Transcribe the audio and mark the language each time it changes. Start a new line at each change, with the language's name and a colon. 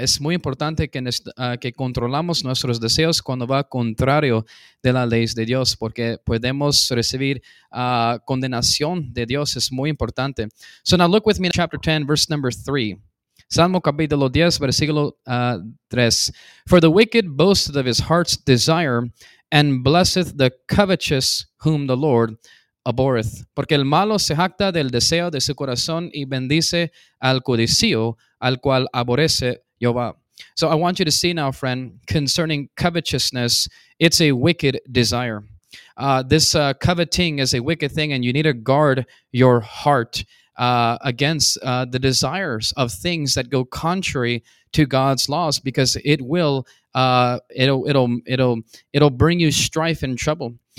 Spanish: Es muy importante que controlamos nuestros deseos cuando va contrario de la ley de Dios, porque podemos recibir condenación de Dios. Es muy importante.
English: So now look with me in chapter 10, verse number 3.
Spanish: Salmo capítulo 10, versículo 3.
English: For the wicked boasteth of his heart's desire, and blesseth the covetous whom the Lord abhorreth.
Spanish: Porque el malo se jacta del deseo de su corazón y bendice al codicio, al cual aborrece Jehová.
English: So I want you to see now, friend, concerning covetousness, it's a wicked desire. This coveting is a wicked thing, and you need to guard your heart against the desires of things that go contrary to God's laws, because it'll bring you strife and trouble.